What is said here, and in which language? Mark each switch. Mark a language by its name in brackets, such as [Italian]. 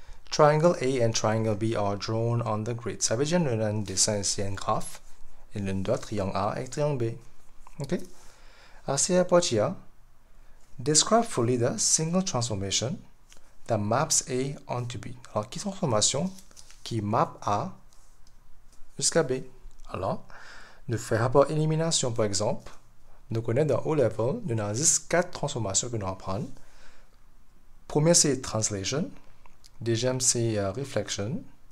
[English] Triangle A and triangle B are drawn on the grid. [French] Ça veut dire qu'on a un dessin ici, un graphe, et l'un doit triangle A et triangle B. Ok? C'est la partie A. [English] Describe fully the single transformation that maps A onto B. [French] Alors, quelle transformation qui map A jusqu'à B? Alors, nous faisons par élimination, par exemple. Nous connaissons dans haut level, nous avons juste quatre transformations que nous allons prendre. Première, c'est translation. Deuxième, c'est reflection.